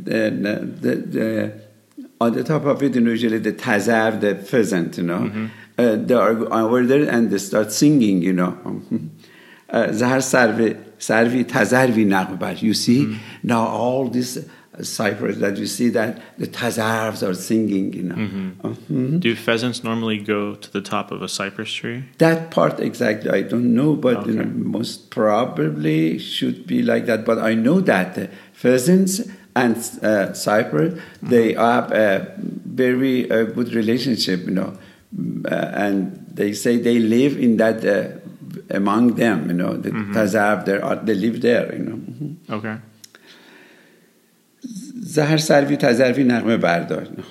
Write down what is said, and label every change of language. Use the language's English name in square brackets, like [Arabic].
[English] The on the top of it, you know, usually the tazav, the pheasant, you know. They are over there and they start singing, you know. [Persian] زهر سروی سروی تزروی نغمه برداشت. [English] You see, now all this cypress that you see, that the tazarvs are singing, you know. Do pheasants normally go to the top of a cypress tree? That part exactly I don't know, but you know, most probably should be like that. But I know that pheasants and cypress, they have a very good relationship, you know, and they say they live in that among them, you know, the tazarv, they live there, you know. Okay. [Persian] زهر سروی تزروی نغمه بردار.